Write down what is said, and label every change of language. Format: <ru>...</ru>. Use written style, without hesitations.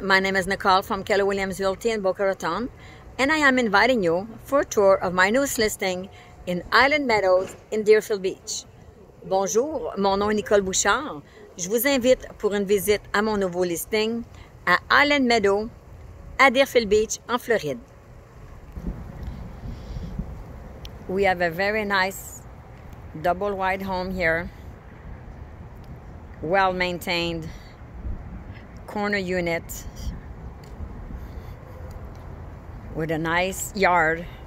<en>My name is Nicole from Keller Williams Realty in Boca Raton, and I am inviting you for a tour of my newest listing in Island Meadows in Deerfield Beach.</en> <fr>Bonjour, mon nom est Nicole Bouchard. Je vous invite pour une visite à mon nouveau listing à Island Meadows à Deerfield Beach en Floride.</fr> <en>We have a very nice double wide home here, well maintained. Corner unit with a nice yard.</en>